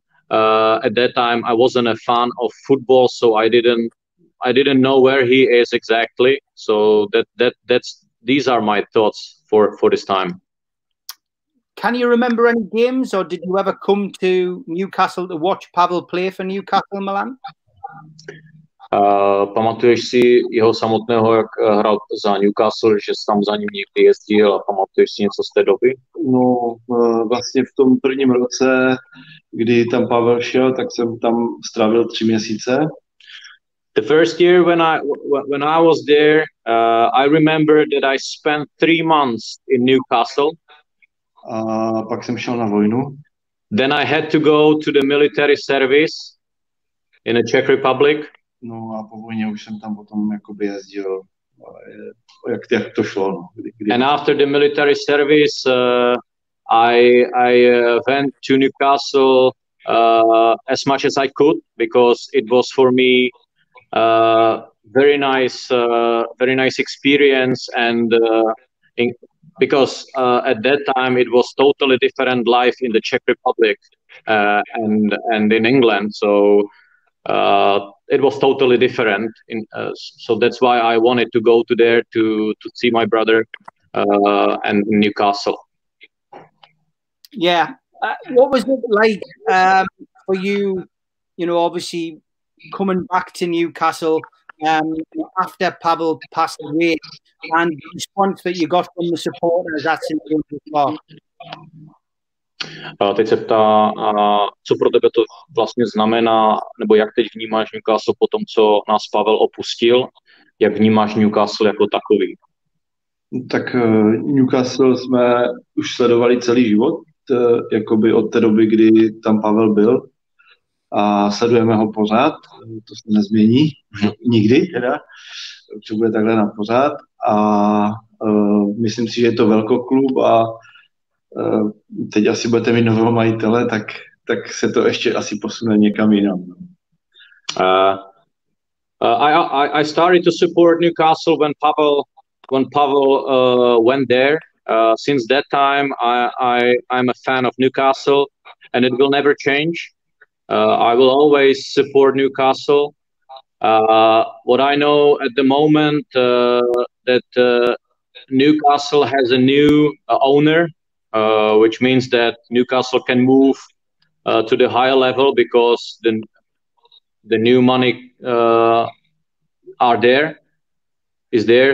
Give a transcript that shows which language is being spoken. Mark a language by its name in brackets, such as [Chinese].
[English] At that time, I wasn't a fan of football, so I didn't know where he is exactly. So these are my thoughts for this time. Can you remember any games, or did you ever come to Newcastle to watch Pavel play for Newcastle Milan? [Czech] Pamatuješ si jeho samotného, jak hrál za Newcastle, že jsi tam za ním někdy jezdil, a pamatuješ si něco z té doby? No, vlastně v tom prvním roce, kdy tam Pavel šel, tak jsem tam strávil 3 měsíce. [English] The first year when I was there, I remember that I spent 3 months in Newcastle. [Czech] A pak jsem šel na vojnu. [English] Then I had to go to the military service in the Czech Republic. [Czech] No a po vojně už jsem tam potom jakoby jezdil, jak to šlo. No. [English] And after the military service, I went to Newcastle as much as I could, because it was for me very nice experience, and because at that time it was totally different life in the Czech Republic and in England, so it was totally different. So that's why I wanted to go to there to see my brother and Newcastle. Yeah, what was it like for you? You know, obviously coming back to Newcastle after Pavel passed away, and the response that you got from the supporters. That's important as well. [Czech] Teď se ptá, co pro tebe to vlastně znamená, nebo jak teď vnímáš Newcastle po tom, co nás Pavel opustil, jak vnímáš Newcastle jako takový? Tak Newcastle jsme už sledovali celý život, jakoby od té doby, kdy tam Pavel byl, a sledujeme ho pořád, to se nezmění, nikdy teda, co bude takhle na pořád, a myslím si, že je to velký klub a teď asi budete mít nového majitele, tak se to ještě asi posune někam jinam. [English] I started to support Newcastle when Pavel went there. Since that time I'm a fan of Newcastle and it will never change. I will always support Newcastle. What I know at the moment that Newcastle has a new owner, which means that Newcastle can move to the higher level because the new money is there.